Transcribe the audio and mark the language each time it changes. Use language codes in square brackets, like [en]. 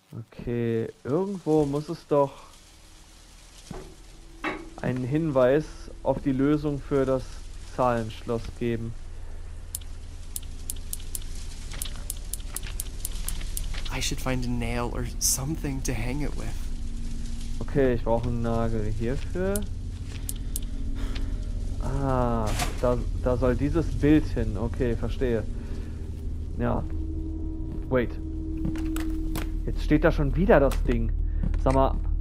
[de] Okay, irgendwo muss es doch einen Hinweis auf die Lösung für das Zahlenschloss geben. [en] I should find a nail or something to hang it with. [de] Okay, ich brauche einen Nagel hierfür. Ah, da soll dieses Bild hin. Okay, verstehe. Ja. Wait. Jetzt steht da schon wieder das Ding. Sag mal.